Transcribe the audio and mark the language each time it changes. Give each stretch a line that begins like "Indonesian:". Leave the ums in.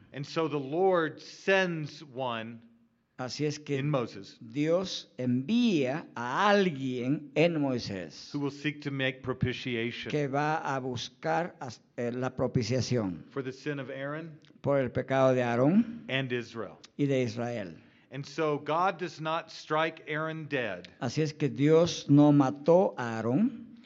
English: And so the Lord sends one
Spanish: Así es que
English: in Moses
Spanish: Dios envía a alguien en Moisés
English: who will seek to make propitiation
Spanish: que va a buscar a, eh, la propiciación
English: for the sin of Aaron
Spanish: por el pecado de Aarón
English: and Israel.
Spanish: y de Israel.
English: And so God does not strike Aaron dead.
Spanish: Así es que Dios no mató a Aarón.